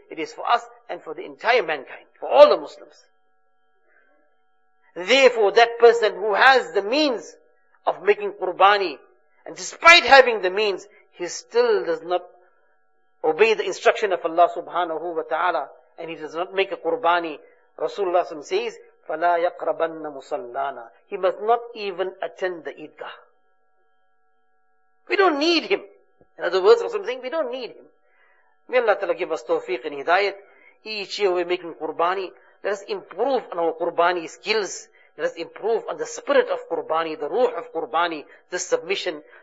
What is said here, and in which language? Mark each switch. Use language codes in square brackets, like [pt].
[en] It is for us and for the entire mankind, for all the Muslims. Therefore, that person who has the means of making qurbani, and despite having the means, he still does not obey the instruction of Allah subhanahu wa ta'ala, and he does not make a qurbani. Rasulullah says, [ar] فَلَا يَقْرَبَنَّ مُصَلَّانَا. [en] He must not even attend the idgah. We don't need him. In other words, Rasulullah is saying, we don't need him. May Allah Ta'ala give us tawfiq and hidayat. Each year we're making qurbani. Let us improve on our qurbani skills. Let us improve on the spirit of qurbani, the ruh of qurbani, the submission.